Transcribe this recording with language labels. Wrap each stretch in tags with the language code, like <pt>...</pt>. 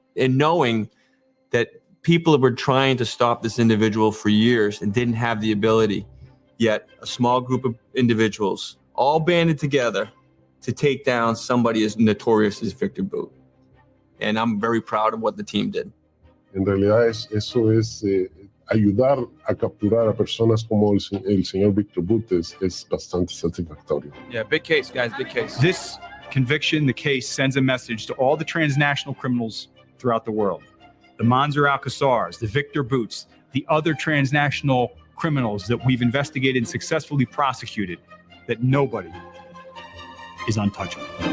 <en>And knowing that people were trying to stop this individual for years and didn't have the ability, yet a small group of individuals all banded together to take down somebody as notorious as Viktor Bout. And I'm very proud of what the team did.</en> <es>En realidad, eso es ayudar a capturar a personas como el señor Viktor Bout es bastante satisfactorio.</es> <en>Yeah, big case, guys, big case. This conviction, the case, sends a message to all the transnational criminals throughout the world. The Manzer Al-Kassars, the Viktor Bouts, the other transnational criminals that we've investigated and successfully prosecuted, that nobody is untouchable.</en>